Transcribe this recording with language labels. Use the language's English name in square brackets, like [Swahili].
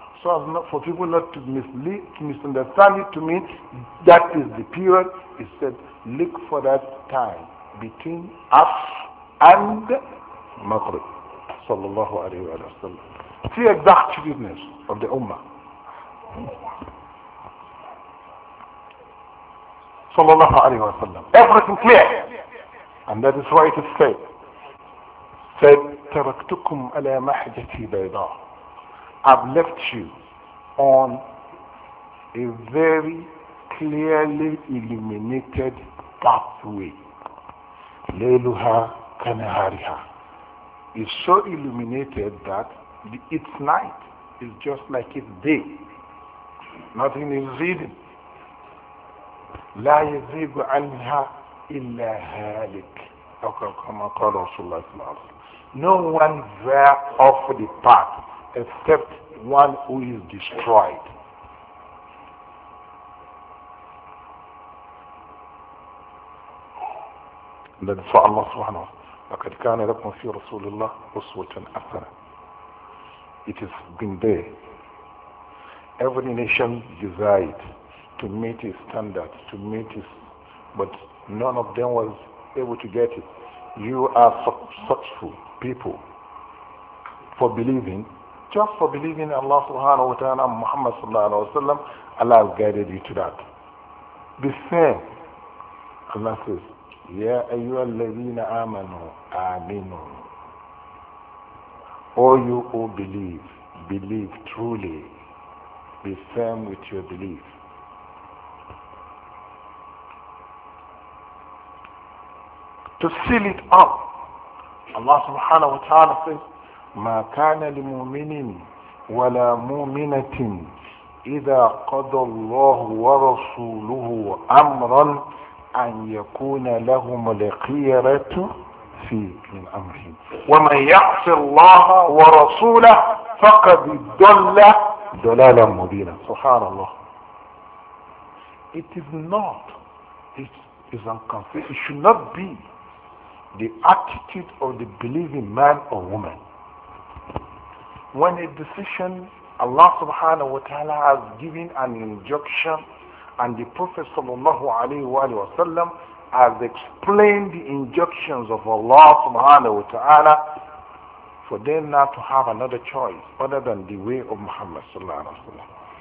[English] So as not, for people not to misunderstand it to mean that is the period, he said, look for that time between us and Maghrib. Sallallahu alayhi wa sallam. See exactitudeness of the Ummah. Sallallahu alayhi wa sallam. Everything clear. And that is why it is said. [Arabic] Said, تَرَكْتُكُمْ عَلَى مَحْجَةِ بَيْضَى. [English] I've left you on a very clearly illuminated pathway. [Arabic] لَيْلُهَا كَنَهَارِهَا. [English] It's so illuminated that its night is just like its day. Nothing is hidden. [Arabic] لَا يَزِيغُ عَنْهَا إِلَّا هَالِكَ. أَوْ كَمَا قَالَ رَسُولُ اللَّهِ صَلَّى اللَّهُ عَلَيْهِ وَسَلَّمَ. [English] No one there off the path except one who is destroyed. That is why Allah subhanahu wa ta'ala, [Arabic] لَقَدْ كَانَ لَكُمْ فِي رَسُولِ اللَّهِ أُسْوَةً حَسَنَةً. [English] It has been there. Every nation desired to meet his standard, to meet his, but none of them was able to get it. You are successful people for believing, just for believing Allah subhanahu wa ta'ala and Muhammad sallallahu alayhi wa sallam, Allah has guided you to that. The same, Allah says, [Arabic] Ya ayyuha alladhina amanu, aminu. [English] All you who believe, believe truly, the same with your belief. To seal it up, Allah subhanahu wa ta'ala says, [Arabic] مَا كَانَ لِمُؤْمِنٍ وَلَا مُؤْمِنَةٍ إذا قضى الله ورسوله أمرا أن يكون لهم الخيرة في من أمرهم. ومن يعص الله ورسوله فقد ضل ضلالا مبينا. سبحان الله. [English] It is not, it is unconfident. It should not be the attitude of the believing man or woman when a decision Allah subhanahu wa ta'ala has given an injunction and the Prophet sallallahu alayhi wa sallam has explained the injunctions of Allah subhanahu wa ta'ala for them not to have another choice other than the way of Muhammad sallallahu alayhi wa sallam.